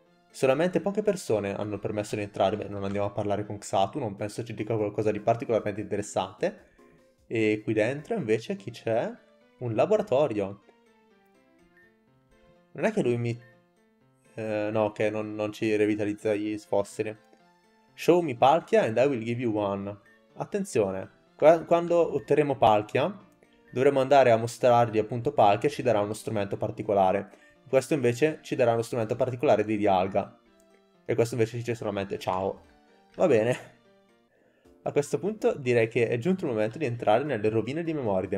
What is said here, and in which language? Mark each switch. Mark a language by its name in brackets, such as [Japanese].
[Italian] Solamente poche persone hanno permesso di entrare. Beh, non andiamo a parlare con Xatu, non penso ci dica qualcosa di particolarmente interessante. E qui dentro invece chi c'è? Un laboratorio. Non è che lui mi. No, che okay, non ci revitalizza gli fossili. [English] Show me Palkia and I will give you one. [Italian] Attenzione, quando otterremo Palkia, dovremo andare a mostrargli appunto Palkia e ci darà uno strumento particolare. Questo invece ci darà uno strumento particolare di Dialga. E questo invece dice solamente ciao. Va bene. A questo punto direi che è giunto il momento di entrare nelle rovine di Memoride.